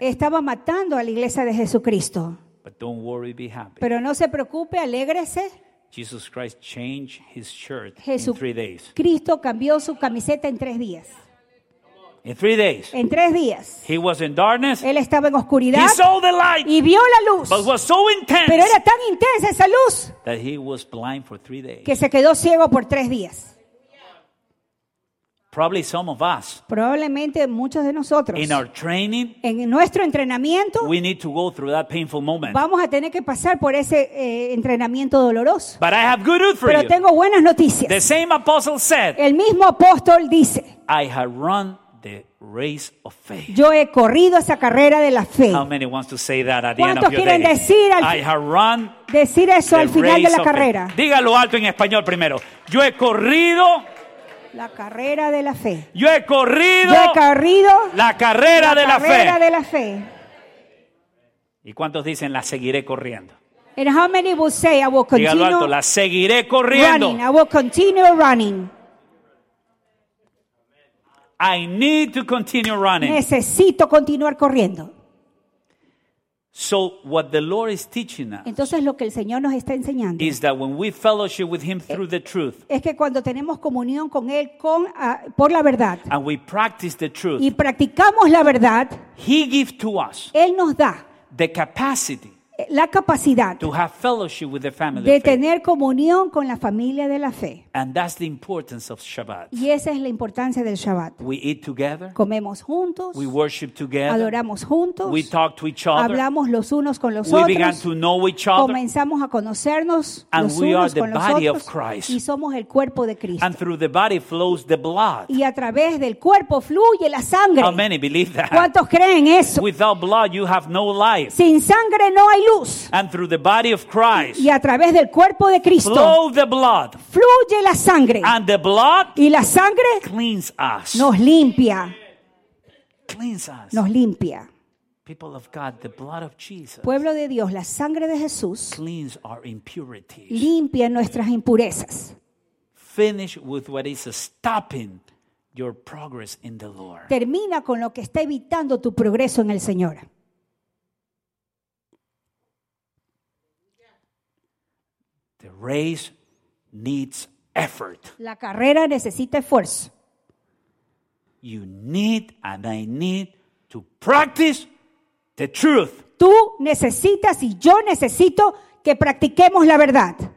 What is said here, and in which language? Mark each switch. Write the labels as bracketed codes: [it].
[es] Estaba matando a la iglesia de Jesucristo. [en] But don't worry, be happy. [es] Pero no se preocupe, alégrese. [en] Jesus Christ changed his shirt [es] Jesús [en] in 3 days. [es] Cristo cambió su camiseta en 3 días. [en] In 3 days. [es] En 3 días. [en] He was in darkness. [es] Él estaba en oscuridad. [en] He saw the light. [es] Y vio la luz. [en] But was so intense. [es] Pero era tan intensa esa luz. [en] That he was blind for 3 days. [es] Que se quedó ciego por 3 días. [en] Probably some of us. [es] Probablemente muchos de nosotros. [en] In our training. [es] En nuestro entrenamiento. [en] We need to go through that painful moment. [es] Vamos a tener que pasar por ese entrenamiento doloroso. [en] But I have good news for you. [es] Pero tengo buenas noticias. [en] The same apostle said. [es] El mismo apóstol dice. [en] I have run the race of faith. [es] Yo he corrido esa carrera de la fe. [en] How many wants to say that at the end of your day? [es] ¿Cuántos quieren decir al [en] I have run [es] decir eso [en] the [es] al final de la carrera? Dígalo alto en español primero. Yo he corrido la carrera de la fe. Yo he corrido la carrera de la fe. La carrera de la fe. ¿Y cuántos dicen la seguiré corriendo? [en] And how many will say I will continue? [es] Dígalo alto, la seguiré corriendo. [en] Running. I will continue running. I need to continue running. [es] Necesito continuar corriendo. [en] So what the Lord is teaching us. [es] Entonces lo que el Señor nos está enseñando. [en] Is that when we fellowship with him through the truth. [es] Es que cuando tenemos comunión con él por la verdad. [en] And we practice the truth. [es] Y practicamos la verdad. [en] He gives to us. [es] Él nos da [en] the capacity. [es] La capacidad. [en] To have fellowship with the family. [es] De tener comunión con la familia de la fe. [en] And that's the importance of Shabbat. [es] Y esa es la importancia del Shabbat. [en] We eat together. [es] Comemos juntos. [en] We worship together. [es] Adoramos juntos. [en] We talk to each other. [es] Hablamos los unos con los [en] we [es] otros. [en] We began to know each other. [es] Comenzamos a conocernos [en] and [es] los unos con los otros. [en] And we are the body of Christ. [es] Y somos el cuerpo de Cristo. [en] And through the body flows the blood. [es] Y a través del cuerpo fluye la sangre. [en] How many believe that? [es] ¿Cuántos creen eso? [en] Without blood you have no life. [es] Sin sangre no hay luz. [en] And through the body of Christ. [es] Y a través del cuerpo de Cristo. [en] Flow the blood. [es] Fluye la sangre. [en] And the blood [es] y la sangre [en] cleans us. [es] Nos limpia. [en] Cleans us. [es] Nos limpia. [en] People of God, the blood of Jesus. [es] Pueblo de Dios, la sangre de Jesús [en] cleans our impurities. [es] Limpia nuestras impurezas. [en] Finish with what is stopping your progress in the Lord. [es] Termina con lo que está evitando tu progreso en el Señor. [en] The race needs effort. [es] La carrera necesita esfuerzo. [en] You need and I need to practice the truth. [es] Tú necesitas y yo necesito que practiquemos la verdad.